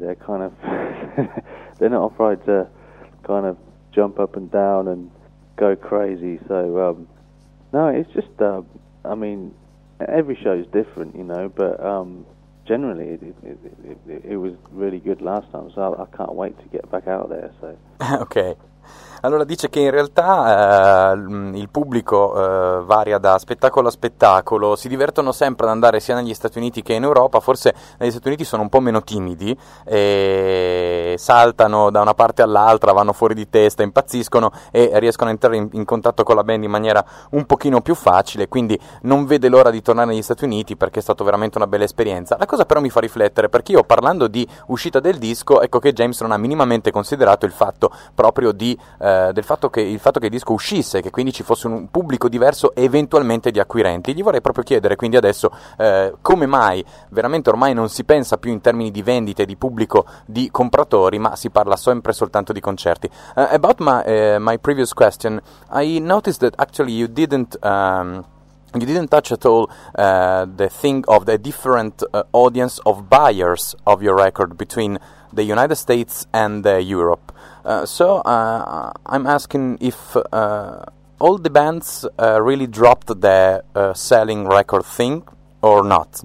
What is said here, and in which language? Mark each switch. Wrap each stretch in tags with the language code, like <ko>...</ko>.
<en>They're kind of they're not afraid to kind of jump up and down and go crazy. So no, it's just I mean, every show is different, you know, but generally, it was really good last time, so I can't wait to get back out there. So. Okay.</en> <it>Allora, dice che in realtà il pubblico varia da spettacolo a spettacolo, si divertono sempre ad andare sia negli Stati Uniti che in Europa, forse negli Stati Uniti sono un po' meno timidi, e saltano da una parte all'altra, vanno fuori di testa, impazziscono e riescono a entrare in contatto con la band in maniera un pochino più facile, quindi non vede l'ora di tornare negli Stati Uniti, perché è stata veramente una bella esperienza. La cosa però mi fa riflettere, perché io, parlando di uscita del disco, ecco che James non ha minimamente considerato il fatto proprio di... Del fatto che il disco uscisse, che quindi ci fosse un pubblico diverso, eventualmente di acquirenti. Gli vorrei proprio chiedere quindi adesso come mai veramente ormai non si pensa più in termini di vendite, di pubblico, di compratori, ma si parla sempre soltanto di concerti.</it> <en>About my previous question, I noticed that actually you didn't touch at all the thing of the different audience of buyers of your record between the United States and Europe. I'm asking if all the bands really dropped the selling record thing, or not?</en>